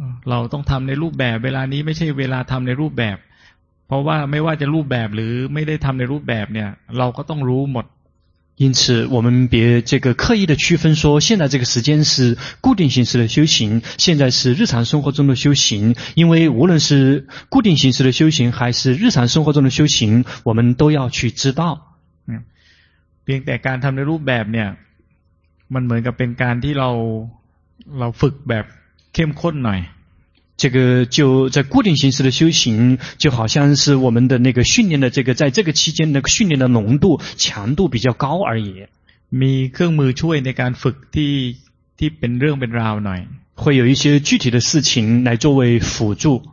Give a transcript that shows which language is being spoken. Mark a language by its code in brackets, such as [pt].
[th] เราต้องทำในรูปแบบเวลานี้ไม่ใช่เวลาทำในรูปแบบเพราะว่าไม่ว่าจะรูปแบบหรือไม่ได้ทำในรูปแบบเนี่ยเราก็ต้องรู้หมด [zh] 因此我们别这个刻意的区分说现在这个时间是固定形式的修行现在是日常生活中的修行因为无论是固定形式的修行还是日常生活中的修行我们都要去知道 [th] เพียงแต่การทำในรูปแบบเนี่ยมันเหมือนกับเป็นการที่เราฝึกแบบเข้มข้นหน่อย [zh] 这个就在固定形式的修行就好像是我们的那个训练的这个在这个期间的训练的浓度强度比较高而已 [th] มีเครื่องมือช่วยในการฝึกที่เป็นเรื่องเป็นราวหน่อย [zh] 会有一些具体的事情来作为辅助